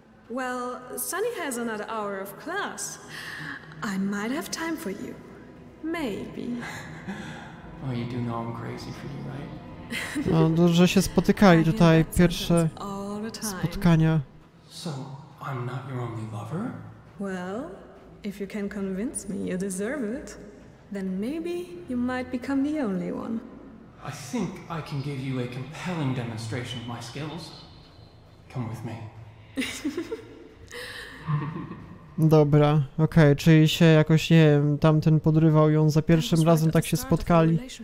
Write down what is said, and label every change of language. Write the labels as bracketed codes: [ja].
[en] Well, Sunny has another hour of class. I might have time for you. Maybe. Oh, you do know I'm crazy for you, right? [pl] No, dobrze, się spotykali tutaj pierwsze spotkania. [en] So, I'm not your only lover? Well, if you can convince me you deserve it, then maybe you might become the only one. I think I can give you a compelling demonstration of my skills. Come with me. [pl] Dobra, okej, okay, czyli się jakoś, nie wiem, tamten podrywał ją za pierwszym razem, tak się spotkali.